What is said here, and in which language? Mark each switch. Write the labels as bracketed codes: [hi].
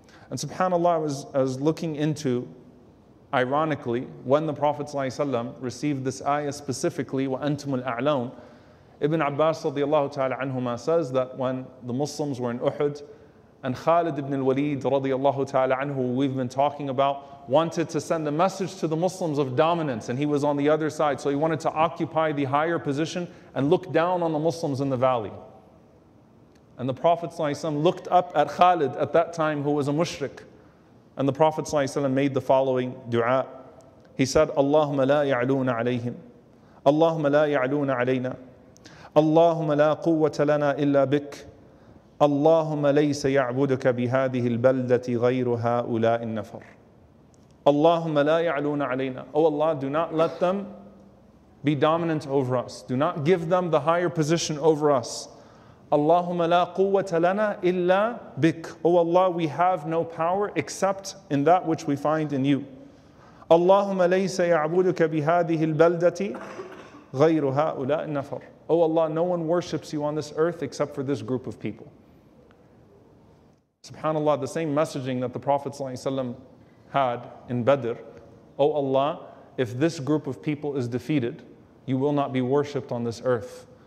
[en] And subhanAllah, I was looking into, ironically, when the Prophet ﷺ received this ayah specifically, [ar] وَأَنْتُمُ الْأَعْلَوْنَ, [en] Ibn Abbas radiallahu ta'ala anhuma says that when the Muslims were in Uhud and Khalid ibn al-Walid radiallahu ta'ala anhu, who we've been talking about, wanted to send a message to the Muslims of dominance, and he was on the other side, so he wanted to occupy the higher position and look down on the Muslims in the valley. And the Prophet ﷺ looked up at Khalid at that time, who was a mushrik, and the Prophet ﷺ made the following dua. He said, [ar] Allahumma la ya'luna alayhim, Allahumma la ya'luna alayna, اللهم لا قوة لنا إلا بك اللهم ليس يعبدك بهذه البلدة غير هؤلاء النفر اللهم لا يعلون علينا. [en] Oh Allah, do not let them be dominant over us. Do not give them the higher position over us. [ar] اللهم لا قوة لنا إلا بك. [en] Oh Allah, we have no power except in that which we find in you. [ar] اللهم ليس يعبدك بهذه البلدة غير هؤلاء النفر. [en] Oh Allah, no one worships you on this earth except for this group of people. SubhanAllah, the same messaging that the Prophet ﷺ had in Badr. Oh Allah, if this group of people is defeated, you will not be worshipped on this earth.